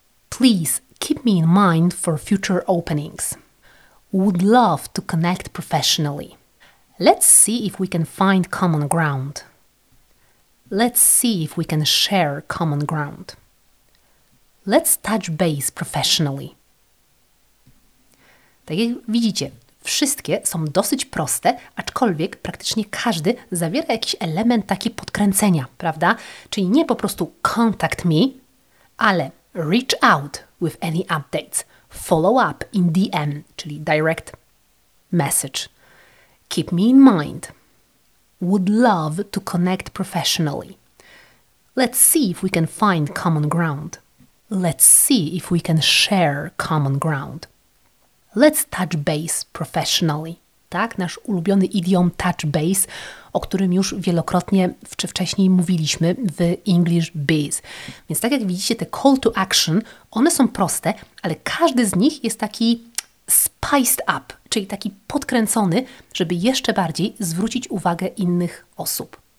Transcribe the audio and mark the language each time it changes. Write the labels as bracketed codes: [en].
[en] Please keep me in mind for future openings. Would love to connect professionally. Let's see if we can find common ground. Let's see if we can share common ground. Let's touch base professionally. [pl] Tak jak widzicie, wszystkie są dosyć proste, aczkolwiek praktycznie każdy zawiera jakiś element taki podkręcenia, prawda? Czyli nie po prostu [en] contact me, [pl] ale [en] reach out with any updates, follow up in DM, [pl] czyli direct message. [en] Keep me in mind. Would love to connect professionally. Let's see if we can find common ground. Let's see if we can share common ground. Let's touch base professionally. [pl] Tak, nasz ulubiony idiom touch base, o którym już wielokrotnie czy wcześniej mówiliśmy w English Biz. Więc tak jak widzicie, te call to action, one są proste, ale każdy z nich jest taki spiced up, czyli taki podkręcony, żeby jeszcze bardziej zwrócić uwagę innych osób.